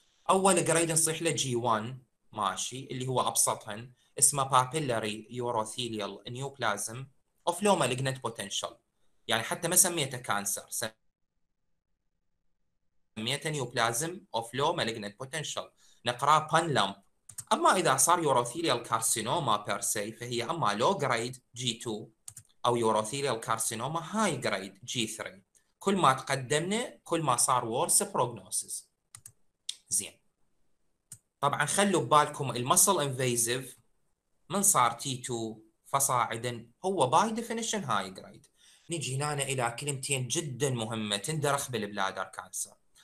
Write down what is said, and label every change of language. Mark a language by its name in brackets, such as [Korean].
[English] اول جريد نصيح له جي 1 ماشي اللي هو ابسطهن اسمه papillary urothelial neoplasm of low malignant potential، [Arabic] يعني حتى ما سميته كانسر سميته [English] neoplasm of low malignant potential، نقراه pan lump. اما اذا صار urothelial carcinoma per se [Arabic] فهي اما [English] low grade G2 او urothelial carcinoma high grade G3. [Arabic] كل ما تقدمنا كل ما صار [English] worse prognosis. [Arabic] زين طبعا خلوا ببالكم المصل انفيزيف من صار تي 2 فصاعدا هو باي ديفينيشن هاي جريد. نجي هنا الى كلمتين جدا مهمه تندرخ بالبلادر كانسر.